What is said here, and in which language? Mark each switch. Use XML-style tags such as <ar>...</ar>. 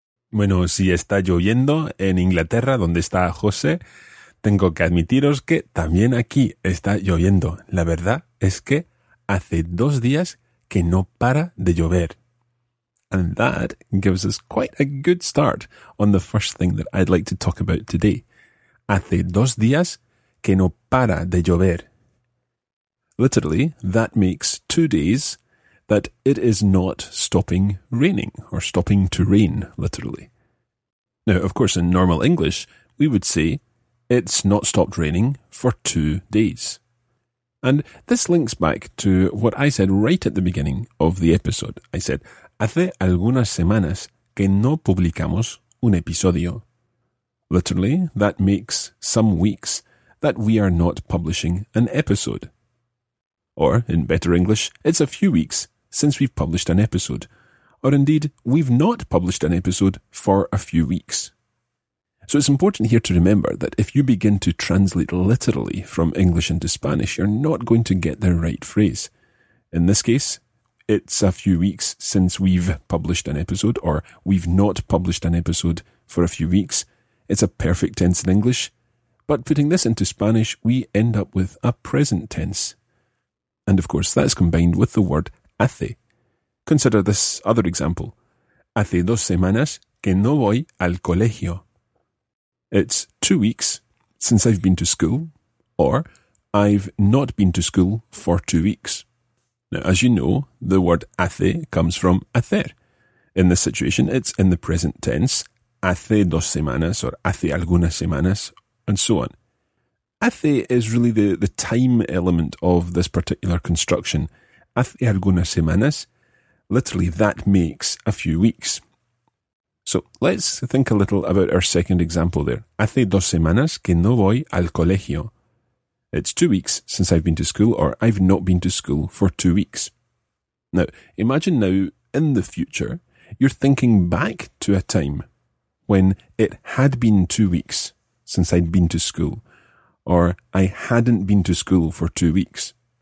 <es>Bueno, si está lloviendo en Inglaterra, donde está José, tengo que admitiros que también aquí está lloviendo. La verdad es que hace 2 días que no para de llover.</es> <en>And that gives us quite a good start on the first thing that I'd like to talk about today.</en> <es>Hace 2 días que no para de llover.</es> <en>Literally, that makes 2 days that it is not stopping raining, or stopping to rain, literally. Now, of course, in normal English, we would say, it's not stopped raining for 2 days. And this links back to what I said right at the beginning of the episode. I said,</en> <es>hace algunas semanas que no publicamos un episodio.</es> <en>Literally, that makes some weeks that we are not publishing an episode. Or, in better English, it's a few weeks since we've published an episode. Or indeed, we've not published an episode for a few weeks. So it's important here to remember that if you begin to translate literally from English into Spanish, you're not going to get the right phrase. In this case, it's a few weeks since we've published an episode, or we've not published an episode for a few weeks. It's a perfect tense in English, but putting this into Spanish, we end up with a present tense. And of course, that's combined with the word hace. Consider this other example.</en> <es>Hace 2 semanas que no voy al colegio.</es> <en>It's 2 weeks since I've been to school, or I've not been to school for 2 weeks. Now, as you know, the word hace comes from hacer. In this situation, it's in the present tense,</en> <es>hace 2 semanas,</es> <en>or</en> <es>hace algunas semanas,</es> <en>and so on. Hace is really the time element of this particular construction.</en> <es>Hace algunas semanas,</es> <en>literally, that makes a few weeks. So let's think a little about our second example there.</en> <es>Hace 2 semanas que no voy al colegio.</es> <en>It's 2 weeks since I've been to school, or I've not been to school for 2 weeks. Now, imagine now in the future, you're thinking back to a time when it had been 2 weeks since I'd been to school, or I hadn't been to school for 2 weeks.</en>